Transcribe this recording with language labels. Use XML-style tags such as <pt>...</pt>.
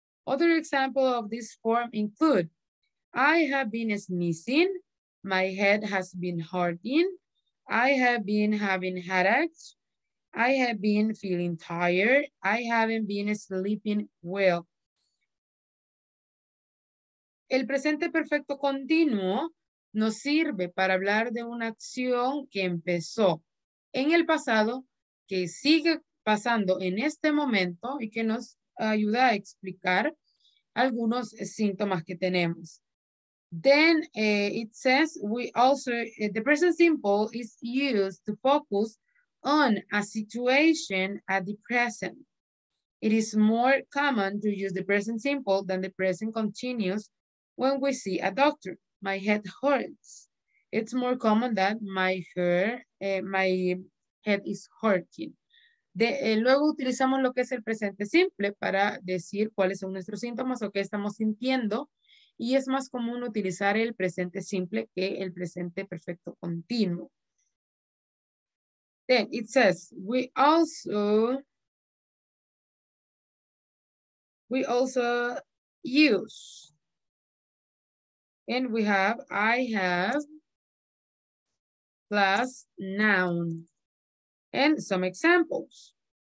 <en>Other examples of this form include, I have been sneezing, my head has been hurting, I have been having headaches, I have been feeling tired, I haven't been sleeping well.</en> <es>El presente perfecto continuo nos sirve para hablar de una acción que empezó en el pasado, que sigue pasando en este momento y que nos ayuda a explicar algunos síntomas que tenemos.</es> <en>Then it says we also, the present simple is used to focus on a situation at the present. It is more common to use the present simple than the present continuous when we see a doctor. My head hurts. It's more common that my head is hurting.</en> <es>Luego utilizamos lo que es el presente simple para decir cuáles son nuestros síntomas o qué estamos sintiendo. Y es más común utilizar el presente simple que el presente perfecto continuo.</es> <en>Then it says, we also use, and we have, I have, plus noun, and some examples.</en>